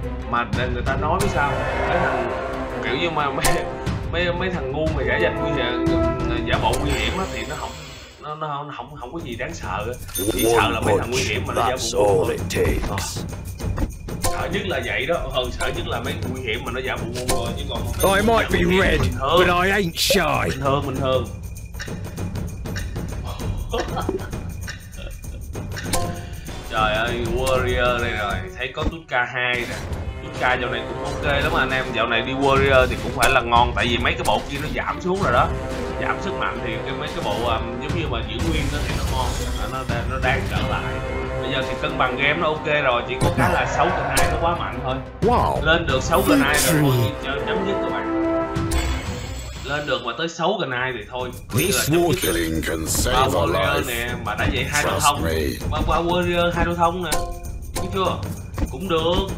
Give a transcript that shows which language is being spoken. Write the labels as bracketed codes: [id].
[vi] Mà người ta nói với sao mấy thằng kiểu như mà mấy thằng ngu mà giả danh nguy hiểm giả bộ nguy hiểm thì nó không có gì đáng sợ, chỉ sợ là mấy thằng nguy hiểm mà nó giả bộ ngu thôi. Sợ nhất là vậy đó, sợ nhất là mấy nguy hiểm mà nó giả bộ ngu rồi, chứ còn [en] I might be red but I ain't shy. [vi] Bình thường trời ơi, warrior đây rồi, thấy có Tutka 2 nè. Tutka dạo này cũng ok lắm anh em, dạo này đi warrior thì cũng phải là ngon, tại vì mấy cái bộ kia nó giảm xuống rồi đó, giảm sức mạnh thì cái mấy cái bộ giống như mà giữ nguyên đó thì nó ngon, nó đáng trở lại. Bây giờ thì cân bằng game nó ok rồi, chỉ có cái là 6/2 nó quá mạnh thôi. Lên được 6/2 rồi thôi, chấm dứt các bạn. Lên được mà tới 6/2 thì thôi. [en] This war killing can save a life. [vi] Warrior nè, mà đã vậy hai đôi thông. Qua warrior hai đôi thông nè. Biết chưa? Cũng được.